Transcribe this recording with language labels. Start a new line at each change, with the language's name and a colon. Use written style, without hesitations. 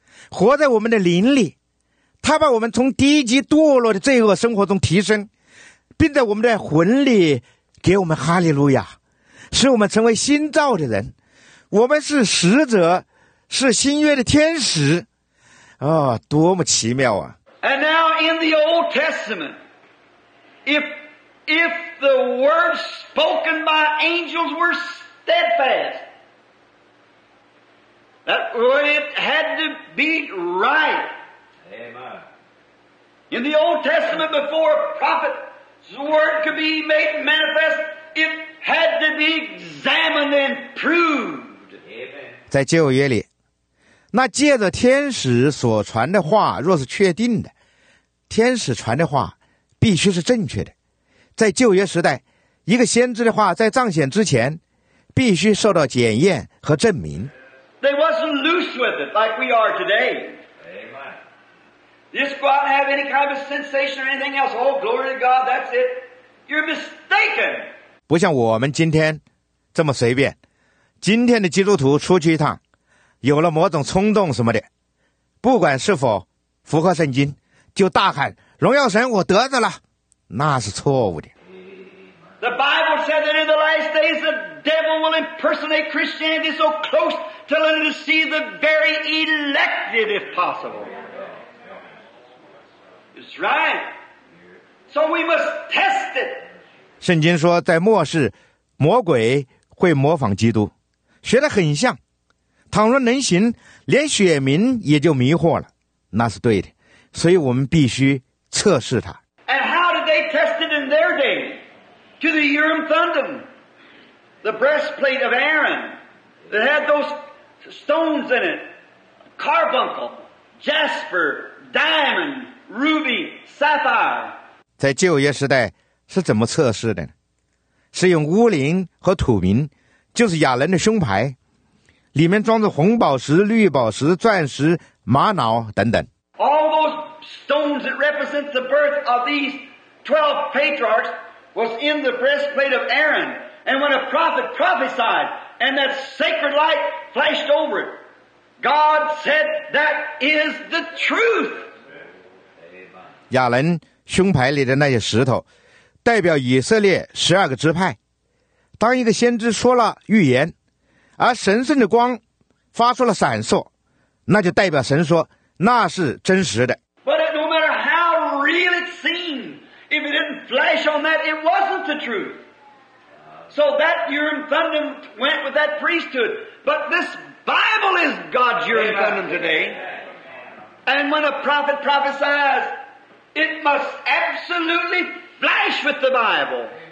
Chinese: 活在我们的灵里，他把我们从低级堕落的罪恶生活中提升，并在我们的魂里给我们哈利路亚，使我们成为新造的人。我们是使者，是新约的天使。哦，多么奇妙啊。
English: And now in the Old Testament, if the words spoken by angels were steadfast, That what it had to be right. Amen. In the Old Testament, before a prophet's word could be made manifest, it had to be examined and proved. Amen.
Chinese: 在旧约里，那借着天使所传的话，若是确定的，天使传的话必须是正确的。在旧约时代，一个先知的话在彰显之前，必须受到检验和证明。
English: They wasn't loose with it like we are today. Amen. You just go out and have any kind of sensation or anything else. Oh, glory to God, that's it. You're mistaken.
Chinese: 不像我们今天这么随便。今天的基督徒出去一趟，有了某种冲动什么的，不管是否符合圣经，就大喊荣耀神，我得着了，那是错误的。
English: The Bible said that in the last days the devil will impersonate Christianity so close to let it deceive the very elected if possible. It's right. So we must test it.
Chinese: 圣经说在末世魔鬼会模仿基督，学得很像，倘若能行，连选民也就迷惑了，那是对的，所以我们必须测试他。
English: And how did they test it in their day? To the Urim Thummim, the breastplate of Aaron, that had those stones in it, carbuncle, jasper, diamond, ruby, sapphire.
Chinese: 在旧约时代是怎么测试的呢？是用乌灵和土明，就是亚伦的胸牌，里面装着红宝石、绿宝石、钻石、玛瑙等等。
English: All those stones that represent the birth of these 12 patriarchs was in the breastplate of Aaron. And when a prophet prophesied and that sacred light flashed over it, God said that is the truth.
Chinese: 亚伦胸牌里的那些石头代表以色列十二个支派。当一个先知说了预言，而神圣的光发出了闪烁，那就代表神说那是真实的。
English: But no matter how real it seemed, if it didn't flash on that, it wasn't the truth. So that Urim Thummim went with that priesthood. But this Bible is God's Urim Thummim today. And when a prophet prophesies, it must absolutely flash with the Bible.